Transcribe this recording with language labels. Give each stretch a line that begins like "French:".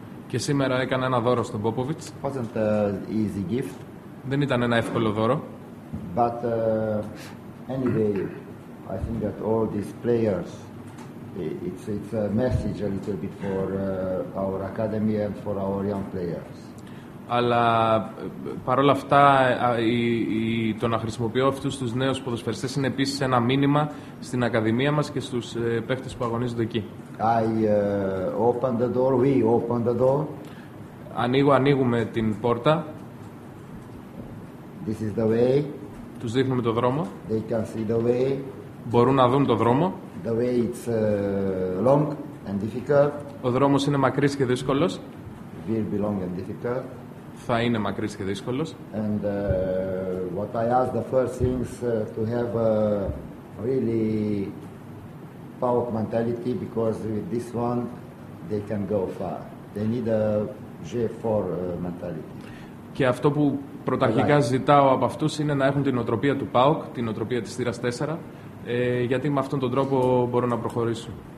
Greek: Και σήμερα έκανα ένα δώρο στον Popovic.
English: Wasn't an easy gift.
Greek: Δεν ήταν ένα εύκολο δώρο.
English: But anyway, I think that all these players, it's a message a little bit for our academy and for our young players.
Greek: αλλά παρόλα αυτά το να χρησιμοποιώ αυτούς τους νέους ποδοσφαιριστές είναι επίσης ένα μήνυμα στην Ακαδημία μας και στους παίχτες που αγωνίζονται εκεί.
English: We opened the door.
Greek: Ανοίγουμε την πόρτα.
English: This is the way.
Greek: Τους δείχνουμε το δρόμο.
English: They can see the way.
Greek: Μπορούν να δουν το δρόμο.
English: The way it's long and difficult.
Greek: Ο δρόμος είναι μακρύς και δύσκολος.
English: Will be long and difficult.
Greek: Θα είναι μακρύς και δύσκολος.
English: And what I ask the first things to have really power mentality because with this one they can go far. They need a G4 mentality.
Greek: Και αυτό που πρωταρχικά ζητάω από αυτούς είναι να έχουν την οτροπία του ΠΑΟΚ, την οτροπία της θύρας 4, γιατί με αυτόν τον τρόπο μπορώ να προχωρήσω.